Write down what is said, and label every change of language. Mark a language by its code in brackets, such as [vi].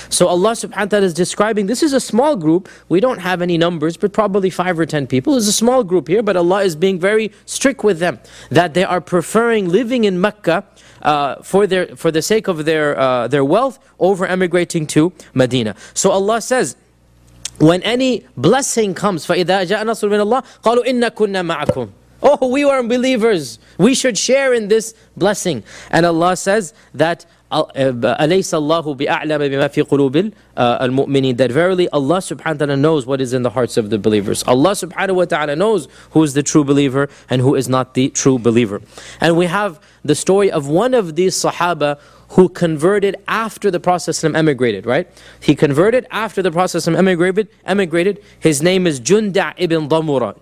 [en] So Allah subhanahu wa ta'ala is describing, this is a small group. We don't have any numbers, but probably 5 or 10 people. It's a small group here, but Allah is being very strict with them, that they are preferring living in Mecca for the sake of their wealth over emigrating to Medina. So Allah says, when any blessing comes, [ar] فَإِذَا جَاءَ نَصْرُ مِنَ اللَّهِ قَالُوا إِنَّا كُنَّا مَعَكُمْ. [en] Oh, we are believers. We should share in this blessing. And Allah says that, [ar] أَلَيْسَ اللَّهُ بِأَعْلَمَ بِمَا فِي قُلُوبِ الْمُؤْمِنِينَ. [en] That verily Allah subhanahu wa ta'ala knows what is in the hearts of the believers. Allah subhanahu wa ta'ala knows who is the true believer and who is not the true believer. And we have the story of one of these Sahaba who converted after the Prophet ﷺ emigrated, right? He converted after the Prophet ﷺ emigrated. His name is Junda' ibn Damura.